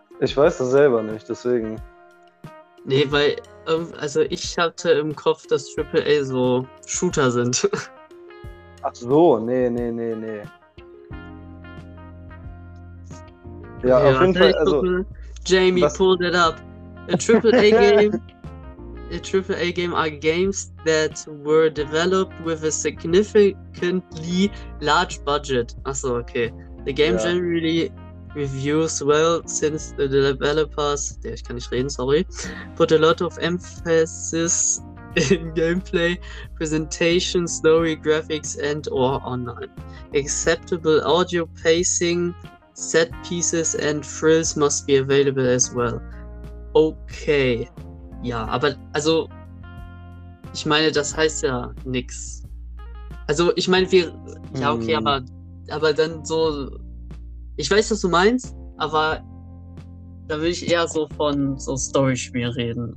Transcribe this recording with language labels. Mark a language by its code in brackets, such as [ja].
[de] Ich weiß das selber nicht, deswegen. Nee, weil, also ich hatte im Kopf, dass AAA so Shooter sind. Ach so, nee. Ja, ja, auf jeden Fall, also... [en] Jamie, was? Pull that up. A AAA game are games that were developed with a significantly large budget. [de] Ach so, okay. [en] The game generally reviews well since the developers, [de] ich kann nicht reden, sorry, [en] put a lot of emphasis in gameplay, presentation, story, graphics and or online. Acceptable audio pacing, set pieces and thrills must be available as well. [de] Okay. Ja, aber also ich meine, das heißt ja nix. Also ich meine, wir ja okay, aber dann so, ich weiß, was du meinst, aber da will ich eher so von so Story-Spiel reden.